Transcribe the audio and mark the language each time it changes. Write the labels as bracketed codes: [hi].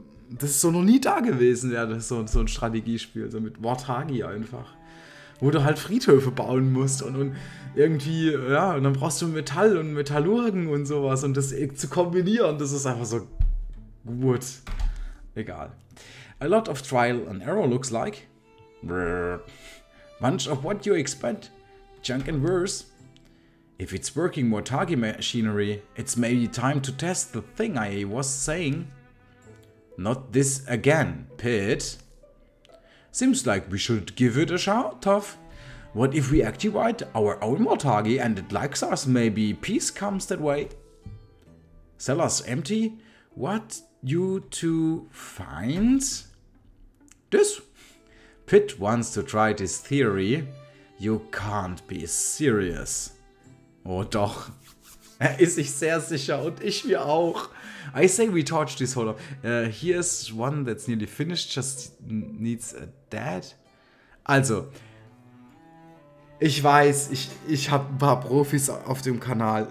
[de] Das ist so noch nie da gewesen, ja, das ist so ein Strategiespiel, so mit Wartagi einfach. Wo du halt Friedhöfe bauen musst und irgendwie, ja, und dann brauchst du Metall und Metallurgen und sowas und das zu kombinieren, das ist einfach so gut. Egal. [en] A lot of trial and error looks like. Brrr. Much of what you expect. Junk and worse. If it's working Motagi machinery, it's maybe time to test the thing I was saying. Not this again, Pit. Seems like we should give it a shot, Toph. What if we activate our own Motagi and it likes us? Maybe peace comes that way. Cellar's empty. What you to find? This. Pit wants to try this theory. You can't be serious. [de] Oh, doch. Er ist sich sehr sicher und ich mir auch. [en] I say we torch this hole up. Here's one that's nearly finished, just needs a dad. [de] Also, ich weiß, ich habe ein paar Profis auf dem Kanal.